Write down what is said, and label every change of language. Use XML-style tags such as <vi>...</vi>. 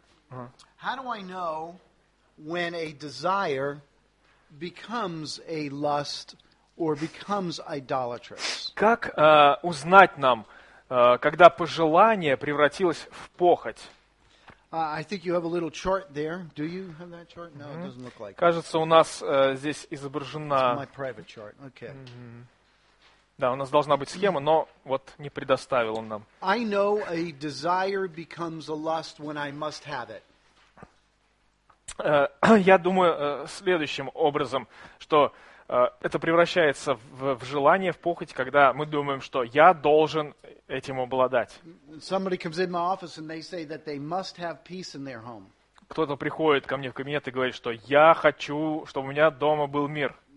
<en>How do I know when a desire becomes a lust or becomes idolatrous?</en> <ru>Как узнать нам, когда пожелание превратилось в похоть? Кажется, у нас здесь изображена...</ru> <en>Okay. Mm-hmm.</en> <ru>Да, у нас должна быть схема, но вот не предоставил он нам.</ru> <en>I know a desire becomes a lust when I must have it.</en> <ru>Я думаю следующим образом, что это превращается в желание, в похоть, когда мы думаем, что я должен этим обладать. Кто-то приходит ко мне в кабинет и говорит, что я хочу, чтобы у меня дома был мир.</ru>